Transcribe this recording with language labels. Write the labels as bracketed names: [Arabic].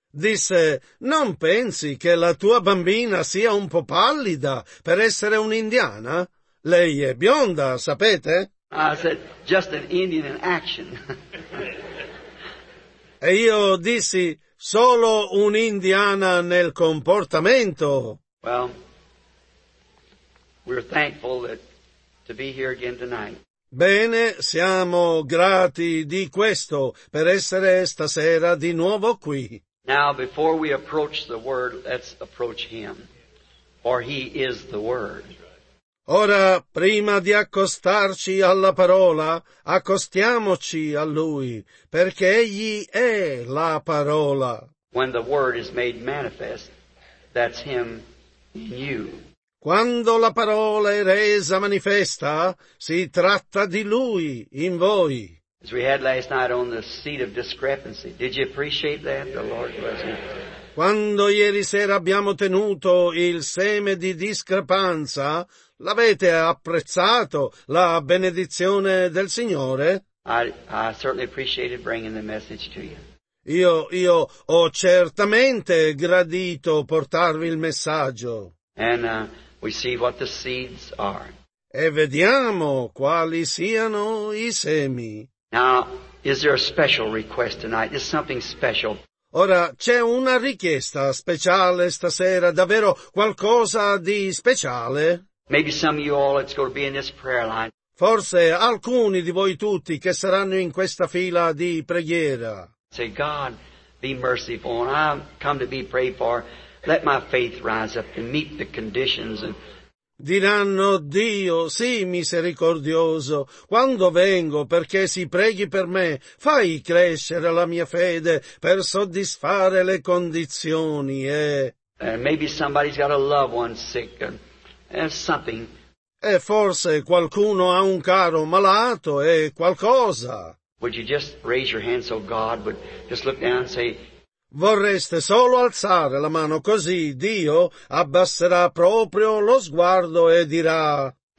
[Italian] Disse, non pensi che la tua bambina sia un po' pallida per essere un'indiana? Lei è bionda, sapete? [English] I said, just an Indian in action. [Italian] E io dissi, solo un'indiana nel comportamento. [English] Well, we're thankful to be here again tonight. [Italian] Bene, siamo grati di questo, per essere stasera di nuovo qui. [English] Now, before we approach the Word, let's approach Him, for He is the Word. [Italian] Ora, prima di accostarci alla parola, accostiamoci a Lui, perché Egli è la parola. [English] When the word is made manifest, that's Him in you. [Italian] Quando la parola è resa manifesta, si tratta di Lui in voi. [English] As we had last night on the seat of discrepancy, did you appreciate that? The Lord bless you. [Italian] Quando ieri sera abbiamo tenuto il seme di discrepanza, l'avete apprezzato, la benedizione del Signore? [English] I certainly appreciated bringing the message to you. [Italian] Io ho certamente gradito portarvi il messaggio. [English] And we see what the seeds are. [Italian] E vediamo quali siano i semi. [English] Now, is there a special request tonight? Is something special? [Italian] Ora, c'è una richiesta speciale stasera, davvero qualcosa di speciale? [English] Maybe some of you all it's going to be in this prayer line. [Italian] Forse alcuni di voi tutti che saranno in questa fila di preghiera. [English] Say, God, be merciful, and I've come to be prayed for. Let my faith rise up and meet the conditions. And [Italian] diranno, Dio, sì, misericordioso, quando vengo perché si preghi per me, fai crescere la mia fede per soddisfare le condizioni, [English] Maybe somebody's got a loved one sick, and something. [Italian] E forse qualcuno ha un caro malato, e qualcosa. [English] Would you just raise your hand so God would just look down and say, [Italian] vorreste solo alzare la mano così Dio abbasserà proprio lo sguardo e dirà.